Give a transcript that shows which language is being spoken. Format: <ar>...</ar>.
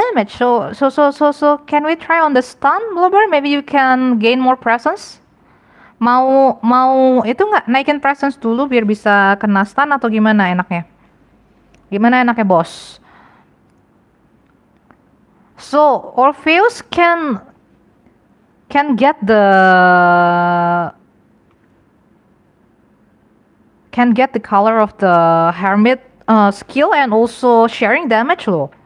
<en>So can we try on the stun, Blubber? Maybe you can gain more presence.</en> <id>Mau itu nggak naikin presence dulu biar bisa kena stun atau gimana enaknya? Gimana enaknya, boss?</id> <en>So Orpheus can get the color of the hermit skill and also sharing damage though.</en>